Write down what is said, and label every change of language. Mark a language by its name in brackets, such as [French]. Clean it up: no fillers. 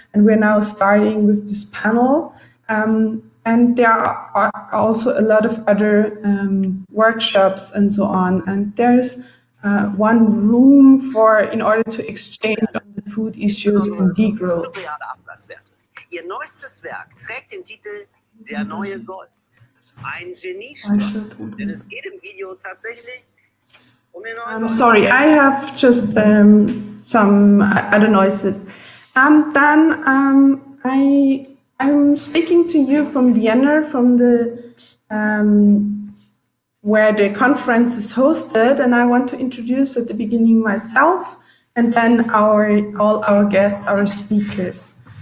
[English] And we're now starting with this panel. And there are also a lot of other workshops and so on. And there's one room for, in order to exchange food issues and degrowth. [German] Ihr neuestes Werk trägt den Titel Der neue Gott. Ein Geniestück. Denn es geht im Video tatsächlich um den neuen Gott. [English] Sorry, I have just some other noises. Dann, I'm speaking to you from Vienna, from the where the conference is hosted, and I want to introduce at the beginning myself. And then all our guests, our speakers.